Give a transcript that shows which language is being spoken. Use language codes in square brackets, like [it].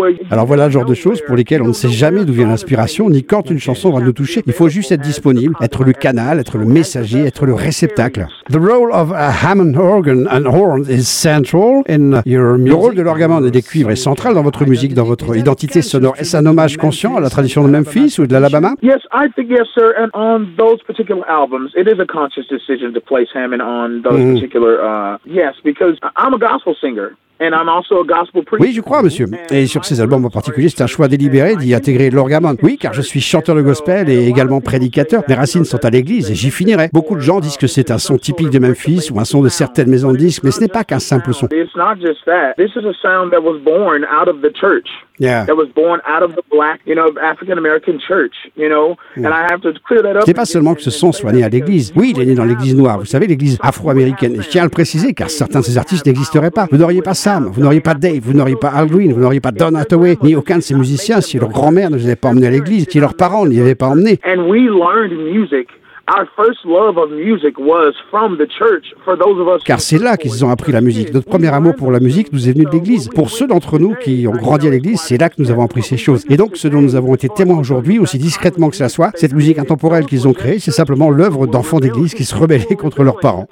[fr] Alors voilà le genre de choses pour lesquelles on ne sait jamais d'où vient l'inspiration, ni quand une chanson va nous toucher. Il faut juste être disponible, être le canal, être le messager, être le réceptacle. [en] The role of a Hammond organ and horn is central in your music. [fr] Le rôle de l'organe et des cuivres est central dans votre musique, dans votre identité sonore. Est-ce un hommage conscient à la tradition de Memphis ou de l'Alabama? [en] Yes, I think yes, sir. And on those particular albums, it is a conscious decision to place Hammond on those particular. Yes, because I'm a gospel singer. And I'm also a gospel priest. [fr] Oui, je crois, monsieur. Et sur ces albums en particulier, c'est un choix délibéré d'y intégrer l'orgamon. Oui, car je suis chanteur de gospel et également prédicateur. Mes racines sont à l'église et j'y finirai. Beaucoup de gens disent que c'est un son typique de Memphis ou un son de certaines maisons de disques, mais ce n'est pas qu'un simple son. [en] It's not just that. This is a sound that was born out of the church. Yeah. That was born out of the black, you know, African American church, you know. Yeah. And I have to clear that up. [fr] C'est pas seulement que ce son soit né à l'église. Oui, il est né dans l'église noire. Vous savez, l'église afro-américaine. Et je tiens à le préciser, car certains de ces artistes n'existeraient pas. Vous n'auriez pas Sam, vous n'auriez pas Dave, vous n'auriez pas Al Green, vous n'auriez pas Don Hathaway, ni aucun de ces musiciens si leur grand-mère ne les avait pas emmenés à l'église, si leurs parents ne les avaient pas emmenés. [en] And we learned music. Our first love of music was from the church for those of us. [fr] Car c'est là qu'ils ont appris la musique. Notre premier amour pour la musique nous est venu de l'église. Pour ceux d'entre nous qui ont grandi à l'église, c'est là que nous avons appris ces choses. Et donc, ce dont nous avons été témoins aujourd'hui, aussi discrètement que cela soit, cette musique intemporelle qu'ils ont créée, c'est simplement l'œuvre d'enfants d'église qui se rebellaient contre leurs parents.